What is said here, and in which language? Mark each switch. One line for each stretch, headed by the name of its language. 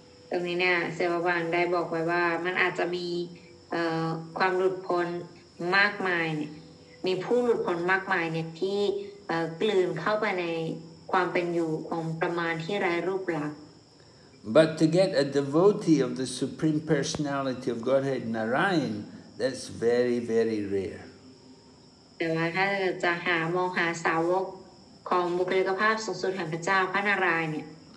Thai: ตรงนี้เนี่ยเซวาวันได้บอกไว้ว่ามันอาจจะมีความหลุดพ้นมากมายเนี่ยมีผู้หลุดพ้นมากมายเนี่ยที่กลืนเข้าไปในความเป็นอยู่ของประมาณที่ไร้รูปลักษณ์
English: But to get a devotee of the Supreme Personality of Godhead Narayan, that's very, very rare.
Thai: แต่ว่าถ้าจะหามองหาสาวกของบุคลิกภาพสูงสุดแห่งพระเจ้าพระนารายณ์เนี่ย